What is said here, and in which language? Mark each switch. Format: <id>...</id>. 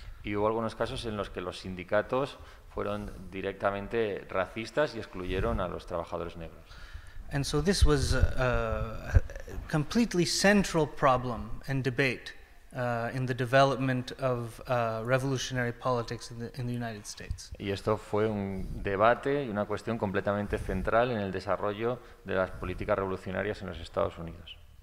<es>Y hubo algunos casos en los que los sindicatos fueron directamente racistas y excluyeron a los trabajadores negros.</es> <en>And so this was a completely central problem and debate in the development of revolutionary politics in the United States.</en> <es>Y esto fue un debate y una cuestión completamente central en el desarrollo de las políticas revolucionarias en los Estados Unidos.</es>